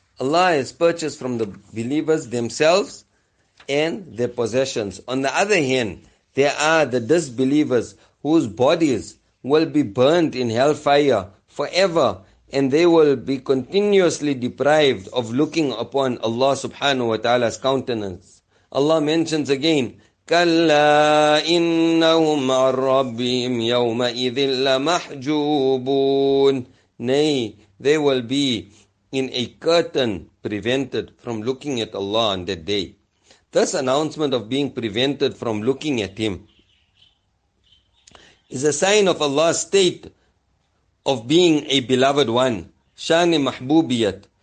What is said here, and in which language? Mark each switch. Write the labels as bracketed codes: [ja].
[en] Allah has purchased from the believers themselves and their possessions. On the other hand, there are the disbelievers whose bodies will be burnt in hellfire forever, and they will be continuously deprived of looking upon Allah subhanahu wa ta'ala's countenance. Allah mentions again, [ar] كَلَّا إِنَّهُمْ عَن رَّبِّهِمْ يَوْمَئِذٍ لَّمَحْجُوبُونَ. [en] Nay, they will be in a curtain prevented from looking at Allah on that day. This announcement of being prevented from looking at him is a sign of Allah's state of being a beloved one, shani mahbubiyat.